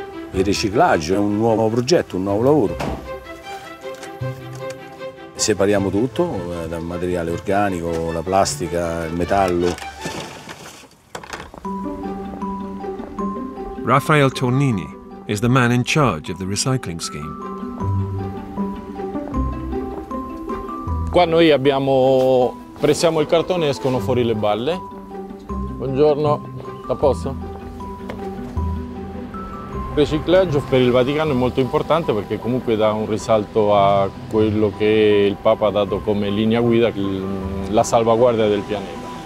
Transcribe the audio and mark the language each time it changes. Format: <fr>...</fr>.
<it>Il riciclaggio è un nuovo progetto, un nuovo lavoro. Separiamo tutto, dal materiale organico, la plastica, il metallo.</it> <en>Raphael Tornini is the man in charge of the recycling scheme.</en> <it>Qua noi abbiamo pressiamo il cartone e escono fuori le balle. Buongiorno, a posto? Il riciclaggio per il Vaticano è molto importante perché comunque dà un risalto a quello che il Papa ha dato come linea guida, la salvaguardia del pianeta.</it>